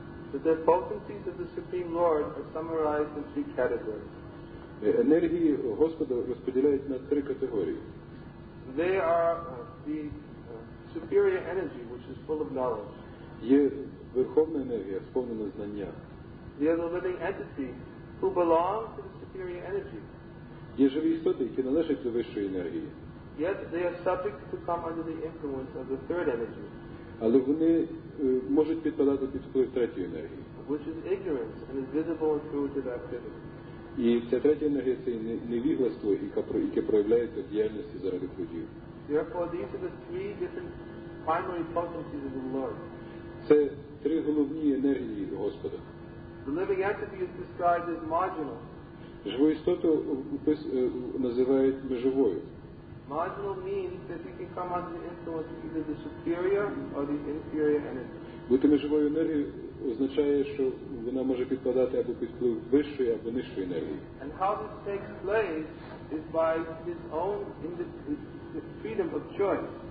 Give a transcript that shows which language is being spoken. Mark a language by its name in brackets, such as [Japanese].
[English] That the potencies of the Supreme Lord are summarized in three categories. [Ukrainian] Енергії Господа розподіляються на три категорії. [English] They are the superior energy, which is full of knowledge. [Ukrainian] Є верховна енергія, сповнена знання. [English] They are the living entity who belong to the superior energy. [Ukrainian] Є живі істоти, які належать до вищої енергії. [English] Yet they are subject to come under the influence of the third energy. [Ukrainian] Але вони можуть підпадати під вплив третьої енергії. [English] Which is ignorance and is visible in fruitive activity. [Ukrainian] І ця третя енергія – це невігластво, яке проявляється в діяльності заради плодів. [English] Therefore, these are the three different primary potencies of the Lord. [Ukrainian] Це три головні енергії Господа. [English] The living entity is described as marginal. [Ukrainian] Живу істоту називають межовою. [English] Marginal means that you can come under the influence of either the superior or the inferior energy. [Ukrainian] Бути межовою енергією означає, що вона може підпадати або під вплив вищої, або нижчої енергії. [English] And how this takes place is by his own freedom of choice.